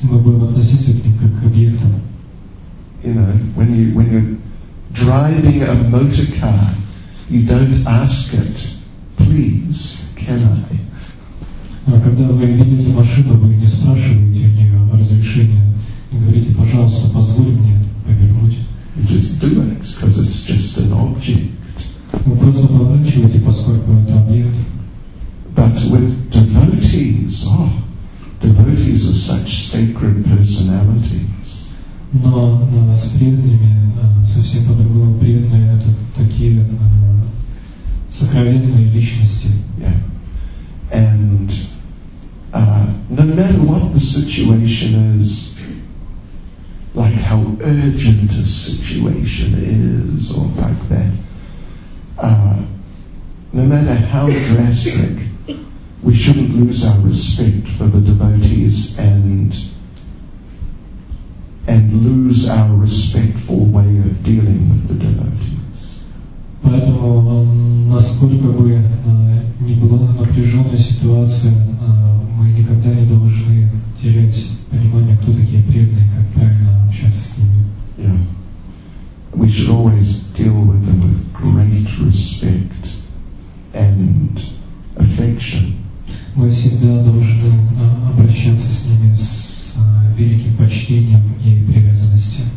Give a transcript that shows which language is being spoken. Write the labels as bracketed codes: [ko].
[ru] Мы будем относиться к ним как к объектам. [en] You know, when you're driving a motor car, you don't ask it, please, can I? [ru] Когда вы видите машину, вы не спрашиваете у нее разрешения, не говорите, пожалуйста, позволь мне повернуть. [en] You just do it, because it's just an object. [ru] Вы просто поворачиваете, поскольку это объект. [en] But with devotees, oh, devotees are such sacred personalities. [ru] Но с преданными совсем по-другому, преданные это такие сокровенные личности. [en] Yeah. And no matter what the situation is, like how urgent a situation is, or like that, no matter how drastic, we shouldn't lose our respect for the devotees and lose our respectful way of dealing with the devotees. [ru] Поэтому, насколько бы ни была напряженная ситуация, мы никогда не должны терять понимание, кто такие преданные, как правильно общаться с ними. [en] Yeah. We should always deal with them with great respect and affection. [ru] Мы всегда должны обращаться с ними с великим почтением и привязанностью.